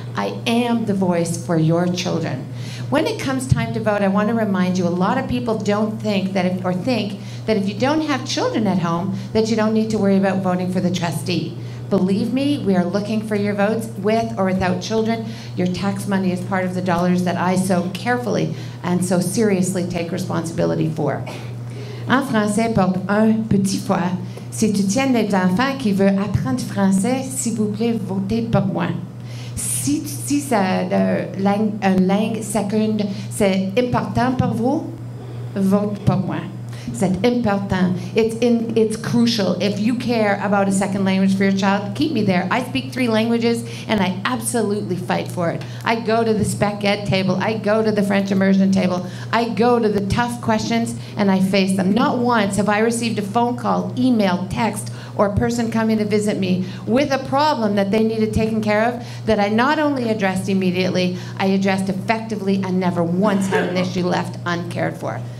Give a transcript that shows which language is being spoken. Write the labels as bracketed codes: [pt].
[en] I am the voice for your children. When it comes time to vote, I want to remind you, a lot of people think that if you don't have children at home, that you don't need to worry about voting for the trustee. Believe me, we are looking for your votes with or without children. Your tax money is part of the dollars that I so carefully and so seriously take responsibility for. [fr] En français, pour un petit fois, si tu tiens des enfants qui veulent apprendre français, s'il vous plaît, votez pour moi. Si c'est une langue seconde, c'est important pour vous, vote pour moi. C'est important. [en] It's crucial. If you care about a second language for your child, keep me there. I speak three languages, and I absolutely fight for it. I go to the spec ed table. I go to the French immersion table. I go to the tough questions, and I face them. Not once have I received a phone call, email, text, or a person coming to visit me with a problem that they needed taken care of that I not only addressed immediately, I addressed effectively and never once had an issue left uncared for.